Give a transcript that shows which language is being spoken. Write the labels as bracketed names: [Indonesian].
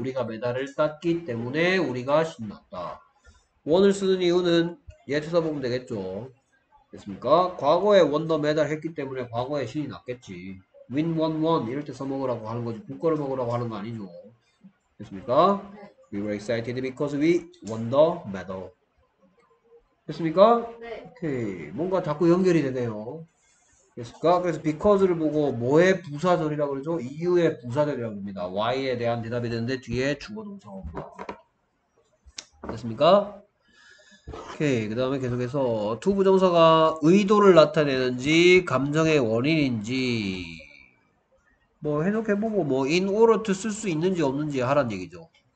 [Korean] 우리가 메달을 땄기 때문에 우리가 신났다. 원을 쓰는 이유는 예초사 보면 되겠죠. 됐습니까? 과거에 [English] won the medal [Korean] 했기 때문에 과거에 신이 났겠지. [English] win, won, won [Korean] 이럴 때 써먹으라고 하는 거지. 국가를 먹으라고 하는 거 아니죠. 됐습니까? [English] We were excited because we won the medal. [Korean] 됐습니까? 오케이. 뭔가 자꾸 연결이 되네요. 됐습니까? 그래서 because를 보고 뭐의 부사절이라고 그러죠? 이유의 부사절이라고 합니다. why에 대한 대답이 되는데 뒤에 주어 동사가 됐습니까? 오케이. 그 다음에 계속해서 to 부정사가 의도를 나타내는지 감정의 원인인지 뭐 해석해보고 뭐 [English] in order to [Korean] 쓸수 있는지 없는지 하란 얘기죠.